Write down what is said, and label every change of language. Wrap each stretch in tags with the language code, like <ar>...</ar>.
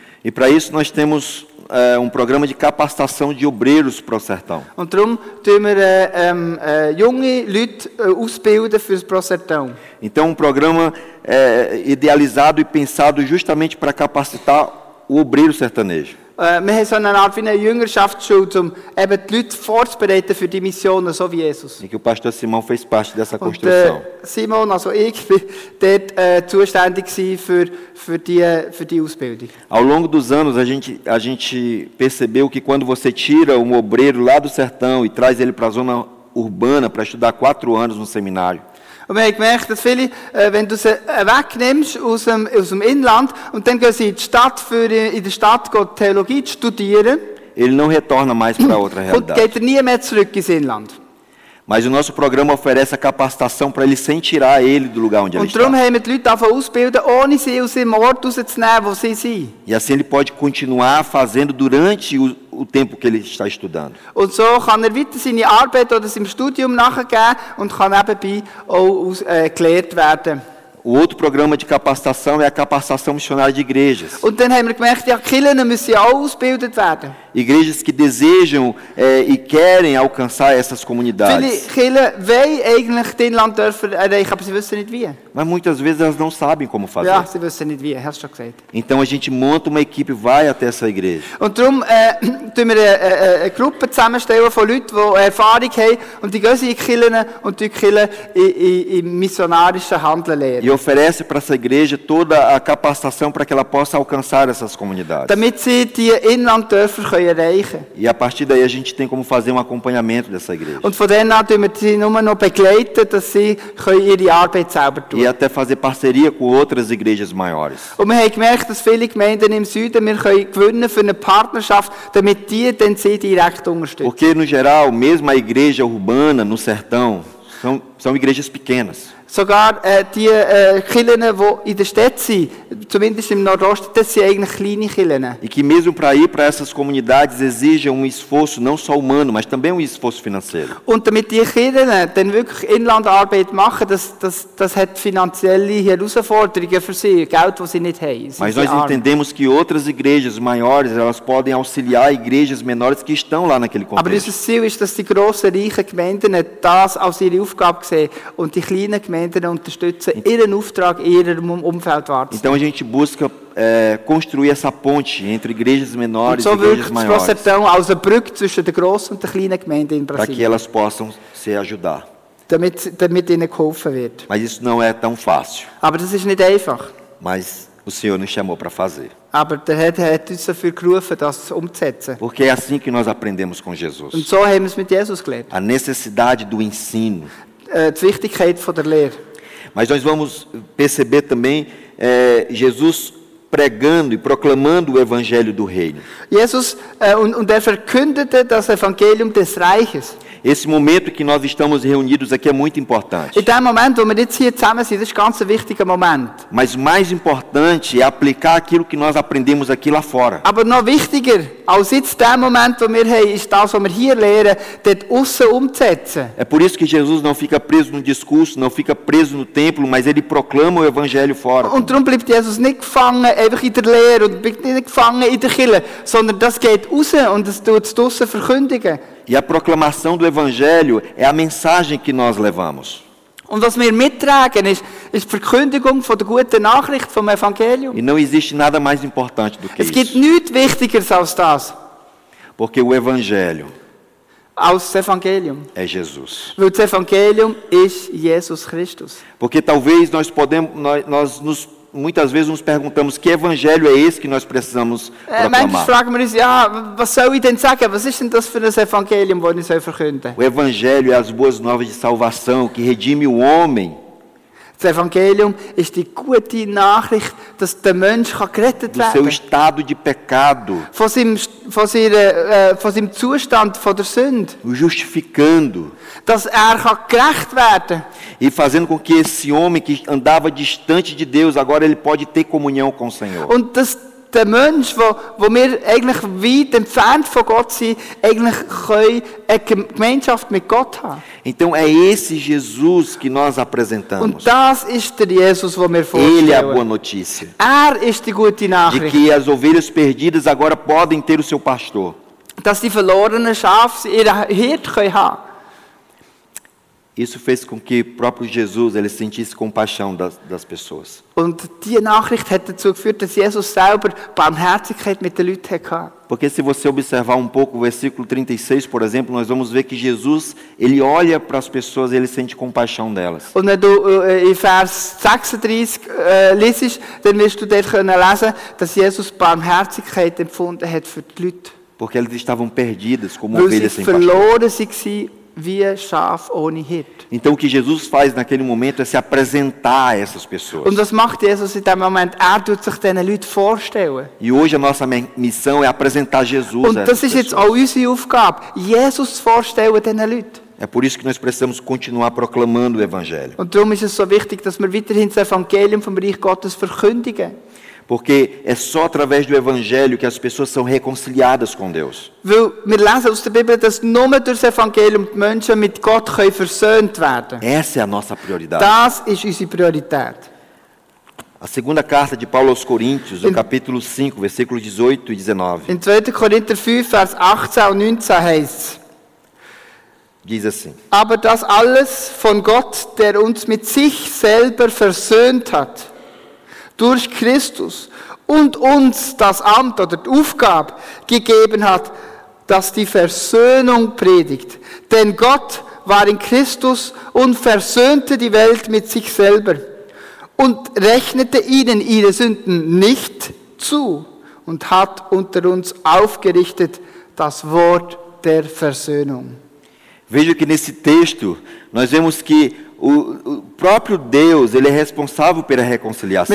<pt>E para isso nós temos programa de capacitação de obreiros pro sertão.</pt> <de>Und darum tun wir junge Leute ausbilden fürs pro sertão.</de> <pt>Então programa idealizado e pensado justamente para capacitar o obreiro sertanejo.</pt> <de>Wir haben so eine Art wie eine Jüngerschaftsschule, um eben die Leute vorzubereiten für die Missionen, so wie Jesus.</de> <pt>E que o pastor Simão fez parte dessa construção.</pt> <de>Simon, also ich, war dort zuständig für die Ausbildung.</de> <pt>Ao longo dos anos, a gente percebeu que quando você tira um obreiro lá do sertão e traz ele para a zona urbana para estudar 4 anos no seminário,</pt> <de>und wir haben gemerkt, dass viele, wenn du sie wegnimmst aus dem Inland und dann gehen sie in die Stadt, Theologie zu studieren,</de> <pt>ele não retorna mais para outra realidade.</pt> <de>Und geht er nie mehr zurück ins Inland.</de> <pt>Mas o nosso programa oferece a capacitação para ele sem tirar ele do lugar onde</pt> <de>und</de> <pt>ele está.</pt> <de>Und darum haben wir die Leute davon ausbilden, ohne sie aus dem Ort rauszunehmen, wo sie sind.</de> <pt>E assim ele pode continuar fazendo durante o tempo que ele está estudando.</pt> <de>Und so kann er weiter seine Arbeit oder sein Studium nachgeben und kann nebenbei auch gelehrt werden.</de> <pt>O outro programa de capacitação é a capacitação missionária de igrejas.</pt> <de>Und dann haben wir gemerkt, ja, Kirchen müssen auch ausgebildet werden.</de> <pt>Igrejas que desejam e querem alcançar essas comunidades.</pt> <de>Viele Kirchen wollen eigentlich die Inlanddörfer erreichen, aber sie wissen nicht wie.</de> <pt>Mas muitas vezes elas não sabem como fazer.</pt> <de>Ja, sie wissen nicht wie, hast du schon gesagt.</de> <pt>Então a gente monta uma equipe e vai até essa igreja.</pt> <de>Und darum tun wir eine Gruppe zusammenstellen von Leuten, die Erfahrung haben, und die gehen in Kirchen und die Kirchen in missionarischen Handeln lehren.</de> <pt>E oferece para essa igreja toda a capacitação para que ela possa alcançar essas comunidades.</pt> <de>Damit sie die Inlanddörfer können erreichen.</de> <pt>E a partir daí a gente tem como fazer um acompanhamento dessa igreja.</pt> <de>Und von denen an tun wir sie nur noch begleiten, dass sie ihre Arbeit selber tun.</de> <pt>E até fazer parceria com outras igrejas maiores.</pt> <de>Und wir haben gemerkt, dass viele Gemeinden im Süden wir können gewinnen für eine Partnerschaft, damit die dann sie direkt unterstützen.</de> <pt>Porque no geral, mesmo a igreja urbana no sertão, são igrejas pequenas.</pt> <de>Sogar die Kirchen, die in der Stadt sind, zumindest im Nordosten, das sind eigentlich kleine Kirchen.</de> <pt>E que mesmo para ir para essas comunidades exigem esforço não só humano, mas também esforço financeiro.</pt> <de>Und damit die Kirchen dann wirklich Inlandarbeit machen, das hat finanzielle Herausforderungen für sie, Geld, das sie nicht haben.</de> <pt>Mas nós entendemos que outras igrejas maiores, elas podem auxiliar igrejas menores que estão lá naquele contexto.</pt> <de>Aber unser Ziel ist, dass die grossen, reichen Gemeinden das als ihre Aufgabe sehen und die kleinen Gemeinden unterstützen, ihren Auftrag in ihrem Umfeld wahrzunehmen.</de> <pt>Então a gente busca construir essa ponte entre igrejas menores</pt> <de>und</de> <pt>so e igrejas maiores.</pt> <de>Das Prozertão als eine Brücke zwischen der grossen und der kleinen Gemeinde in Brasilien.</de> <pt>Para que elas possam se ajudar.</pt> <de>Damit ihnen geholfen wird.</de> <pt>Mas isso não é tão fácil.</pt> <de>Aber das ist nicht einfach.</de> <pt>Mas o Senhor nos chamou para fazer.</pt> <de>Aber der Herr hat uns dafür gerufen, das umzusetzen.</de> <pt>Porque é assim que nós aprendemos com Jesus.</pt> <de>Und so haben wir es mit Jesus gelernt.</de> <pt>A necessidade do ensino.</pt> <de>Die Wichtigkeit von der Lehre.</de> <pt>Mas nós vamos perceber também Jesus pregando e proclamando o Evangelho do Reino.</pt> <de>Jesus und er verkündete das Evangelium des Reiches.</de> <pt>Esse momento que nós estamos reunidos aqui é muito importante.</pt> <de>In dem Moment, wo wir jetzt hier zusammen sind, ist ganz ein wichtiger Moment.</de> <pt>Mas mais importante é aplicar aquilo que nós aprendemos aqui lá fora.</pt> <de>Aber noch wichtiger auch seit dem Moment, wo wir haben, ist das, was wir hier lernen, dort aussen umzusetzen.</de> <pt>É por isso que Jesus não fica preso no discurso, não fica preso no templo, mas ele proclama o evangelho fora.</pt> <de>Und darum bleibt Jesus nicht gefangen, einfach in der Lehre, und bleibt nicht gefangen in der Kirche, sondern das geht raus und es tut es draussen verkündigen.</de> <pt>E a proclamação do evangelho é a mensagem que nós levamos.</pt> <de>Und was wir mittragen, ist die Verkündigung von der guten Nachricht vom Evangelium.</de> <pt>E não existe nada mais importante do que isso.</pt> <de>Es gibt nichts Wichtigeres als das.</de> <pt>Porque o Evangelho.</pt> <de>Aus Evangelium.</de> <pt>É Jesus.</pt> <de>Weil das Evangelium ist Jesus Christus.</de> <pt>Porque talvez nós podemos, nós nos muitas vezes nos perguntamos que evangelho é esse que nós precisamos proclamar.</pt> <de>Was soll ich denn sagen? Was ist denn das für ein Evangelium, das ich verkünden soll?</de> <pt>O evangelho é as boas novas de salvação que redime o homem.</pt> <de>Das Evangelium ist die gute Nachricht, dass der Mensch gerettet werden kann.</de> <pt>Do seu estado de pecado.</pt> <de>Von seinem Zustand von der Sünde.</de> <pt>Justificando.</pt> <de>Dass er gerecht werden kann.</de> <pt>E fazendo com que esse homem que andava distante de Deus, agora ele pode ter comunhão com o Senhor.</pt> <de>Und dass der Mensch, wo wir eigentlich weit entfernt von Gott sind, eigentlich können eine Gemeinschaft mit Gott haben.</de> <pt>Então é esse Jesus que nós apresentamos.</pt> <de>Und das ist der Jesus, wo wir vorstellen.</de> <pt>Ele é a boa notícia.</pt> <de>Er ist die gute Nachricht.</de> <pt>De que as ovelhas perdidas agora podem ter o seu pastor.</pt> <de>Dass die verlorenen Schafe ihren Hirte können haben.</de> <pt>Isso fez com que o próprio Jesus ele sentisse compaixão das pessoas.</pt> <de>Und die Nachricht hat dazu geführt, dass Jesus selber Barmherzigkeit mit den Leuten hatte.</de> <pt>Porque se você observar um pouco o versículo 36, por exemplo, nós vamos ver que Jesus, ele olha para as pessoas e ele sente compaixão delas.</pt> <de>Und wenn du in Vers 36 liest, dann wirst du dort können lesen, dass Jesus Barmherzigkeit empfunden hat für die Leute.</de> <pt>Porque eles estavam perdidas como ovelhas sem pastor.</pt> <de>Wie Schaf ohne Hirte.</de> <pt>Então o que Jesus faz naquele momento é se apresentar a essas pessoas.</pt> <de>Und was macht Jesus in dem Moment? Er tut sich diesen Leuten vorstellen.</de> <pt>E hoje a nossa missão é apresentar Jesus a essas pessoas.</pt> <de>Und das ist jetzt auch unsere Aufgabe, Jesus vorstellen diesen Leuten.</de> <pt>É por isso que nós precisamos continuar proclamando o Evangelho.</pt> <de>Und darum ist es so wichtig, dass wir weiterhin das Evangelium vom Reich Gottes verkündigen.</de> <pt>Porque é só através do Evangelho que as pessoas são reconciliadas com Deus.</pt> <de>Weil wir lesen aus der Bibel, dass nur durch das Evangelium die Menschen mit Gott können versöhnt werden.</de> <pt>Essa é a nossa prioridade.</pt> <de>Das ist unsere Priorität.</de> <pt>A segunda carta de Paulo aos Coríntios, no capítulo 5, versículos 18 e 19.</pt> <de>In 2. Korinther 5, Vers 18 und 19 heißt.</de> <pt>Diz assim:</pt> <de>Aber das alles von Gott, der uns mit sich selber versöhnt hat. Durch Christus und uns das Amt oder die Aufgabe gegeben hat, dass die Versöhnung predigt. Denn Gott war in Christus und versöhnte die Welt mit sich selber und rechnete ihnen ihre Sünden nicht zu und hat unter uns aufgerichtet das Wort der Versöhnung.</de> <pt>Veja que nesse texto nós vemos que o próprio Deus, ele é responsável pela reconciliação.</pt>